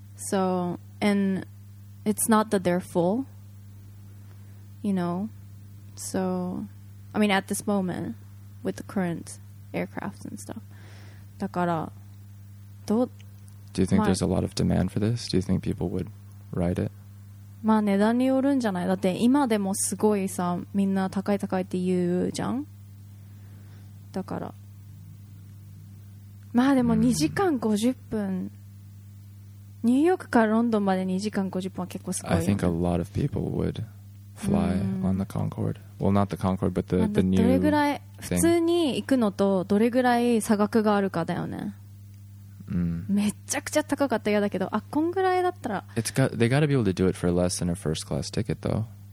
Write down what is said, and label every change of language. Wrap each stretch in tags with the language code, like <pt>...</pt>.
<en>So, and it's not that they're full, you know. So, I mean, at this moment, with the current aircraft and stuff. Do you think there's a lot of demand for this? Do you think people would ride it?</en> <ja>まあ値段によるんじゃない。だって今でもすごいさ、みんな高い高いって言うじゃん。だから。まあでも2時間50分。ニューヨークからロンドンまで2時間50分は結構すごいよ、ね。</ja> <en>I think a lot of people would fly on the Concorde. Well, not the Concorde, but the new thing.</en> <ja>どれぐらい普通に行くのとどれぐらい差額があるかだよね。めちゃくちゃ高かったやだけど、あ、こんぐらいだったら。</ja> <en>It's got, they gotta be able to do it for less than a first class ticket, though.</en>